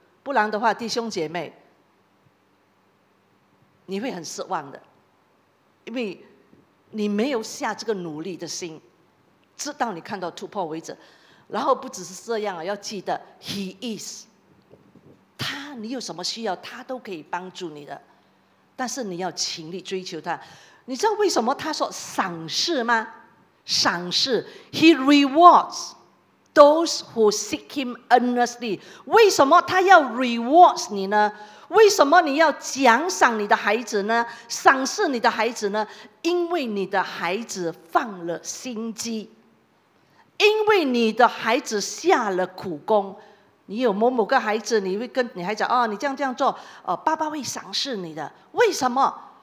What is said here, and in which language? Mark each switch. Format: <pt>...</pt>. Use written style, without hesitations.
<zh>不然的话弟兄姐妹，你会很失望的，因为你没有下这个努力的心，直到你看到突破为止。然后不只是这样，要记得</zh> <en>He is</en> <zh>他，你有什么需要他都可以帮助你的，但是你要勤力追求他。你知道为什么他说赏赐吗？</zh> <en>赏赐 He rewards those who seek him earnestly。</en> <zh>为什么他要 rewards 你呢？为什么你要奖赏你的孩子呢？赏赐你的孩子呢？因为你的孩子放了心机，因为你的孩子下了苦功。你有某某个孩子，你会跟你孩子，哦，你这样这样做，哦，爸爸会赏赐你的。为什么？</zh>